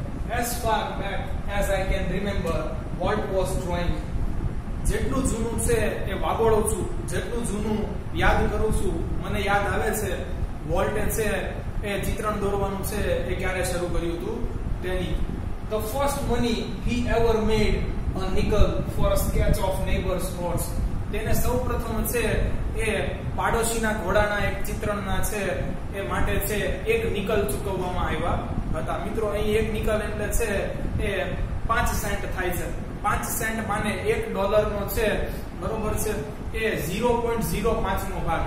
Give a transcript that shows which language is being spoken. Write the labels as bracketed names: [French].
[English] As far back as I can remember, Walt was drawing. [Gujarati] જેટલું જૂનું છે એ વાગોળું છું, જેટલું જૂનું યાદ કરું છું મને યાદ આવે છે વોલ્ટે છે એ ચિત્રણ દોરવાનું છે એ ક્યારે શરૂ કર્યું હતું તેની. [English] The first money he ever made a nickel for a sketch of neighbor's horse. [Gujarati] તેને સૌ પ્રથમ છે એ પાડોશીના ઘોડાના એક ચિત્રણના છે એ માટે છે એક નિકલ ચૂકવવામાં આવ્યા હતા. મિત્રો, અહીં એક નિકલ એટલે છે એ 5 સેન્ટ થાય છે. 5 સેન્ટ માને $1 નો છે, બરોબર છે, એ 0.05 નો ભાગ.